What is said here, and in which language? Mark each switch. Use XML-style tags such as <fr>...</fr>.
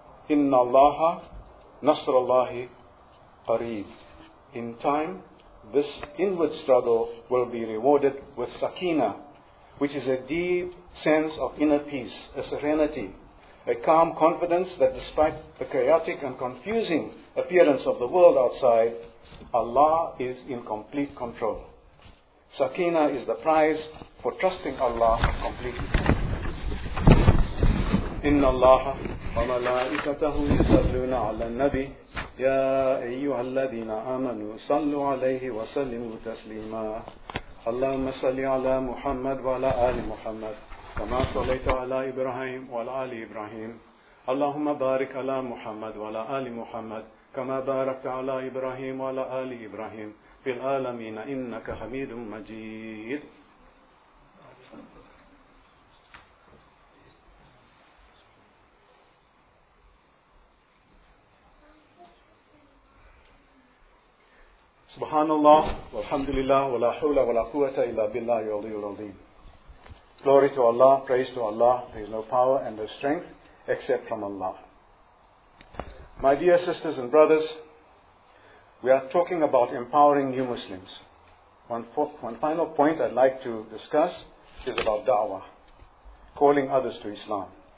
<ar>إِنَّ اللَّهَ نَصْرَ اللَّهِ قَرِيبٌ</ar> <en>In time, this inward struggle will be rewarded with sakina, which is a deep sense of inner peace, a serenity, a calm confidence that despite the chaotic and confusing appearance of the world outside, Allah is in complete control. Sakina is the prize for trusting Allah completely.</en> <ar>إن الله وملائكته يصلون على النبي يا أيها الذين آمنوا صلوا عليه وسلموا تسليما اللهم صل على محمد وعلى آل محمد كما صليت على إبراهيم وعلى آل إبراهيم اللهم بارك على محمد وعلى آل محمد كما باركت على إبراهيم وعلى آل إبراهيم في العالمين إنك حميد مجيد. سبحان الله والحمد لله ولا حول ولا قوة إلا بالله العلي العظيم.</ar> <en>Glory to Allah, praise to Allah, there is no power and no strength except from Allah. My dear sisters and brothers, we are talking about empowering new Muslims. One final point I'd like to discuss is about da'wah, calling others to Islam.</en>